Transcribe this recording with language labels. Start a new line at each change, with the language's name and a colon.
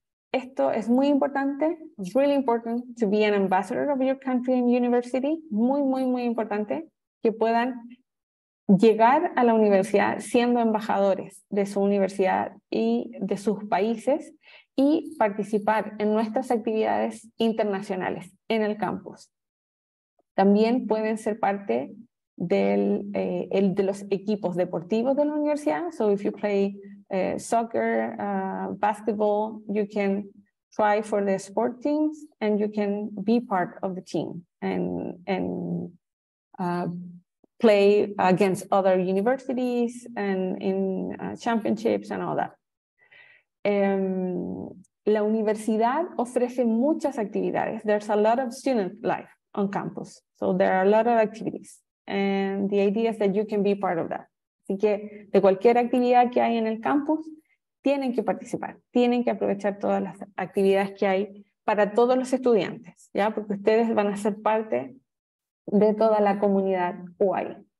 Spanish: Esto es muy importante,
English: it's really important to be an ambassador of your country and university,
Spanish: muy, muy, muy importante que puedan llegar a la universidad siendo embajadores de su universidad y de sus países y participar en nuestras actividades internacionales en el campus. También pueden ser parte del, de los equipos deportivos de la universidad.
English: So if you play soccer, basketball, you can try for the sport teams and you can be part of the team and play against other universities and in championships and all that. La universidad ofrece muchas actividades. There's a lot of student life on campus. So there are a lot of activities. And the idea is that you can be part of that.
Spanish: Así que de cualquier actividad que hay en el campus, tienen que participar. Tienen que aprovechar todas las actividades que hay para todos los estudiantes, ¿ya? Porque ustedes van a ser parte de toda la comunidad UAI.